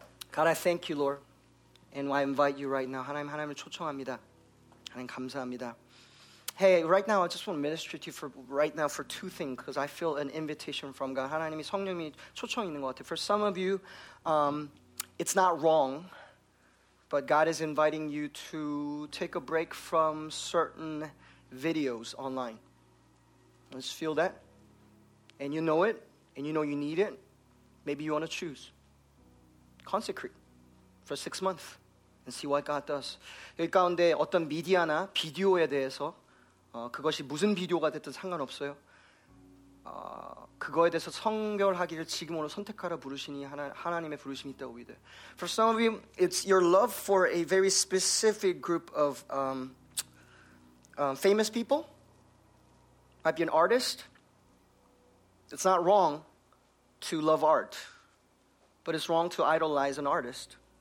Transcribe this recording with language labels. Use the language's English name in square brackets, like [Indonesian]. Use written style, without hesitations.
[English] God, I thank you, Lord. And I invite you right now. [Korean] 하나님을 초청합니다. 하나님 감사합니다. [English] Hey, right now, I just want to minister to you for right now for two things because I feel an invitation from God. [Korean] 하나님이 성령이 초청이 있는 것 같아요. [English] For some of you, it's not wrong, but God is inviting you to take a break from certain videos online. Let's feel that. And you know it, and you know you need it. Maybe you want to choose. Consecrate for 6 months and see what God does. [Korean] 여기 가운데 어떤 미디어나 비디오에 대해서 그것이 무슨 비디오가 됐든 상관없어요. 그거에 대해서 성결하기를 지금으로 선택하라 부르시니 하나님의 부르심이 있다고 믿어요. [English] For some of you, it's your love for a very specific group of famous people. Might be an artist. It's not wrong to love art, but it's wrong to idolize an artist.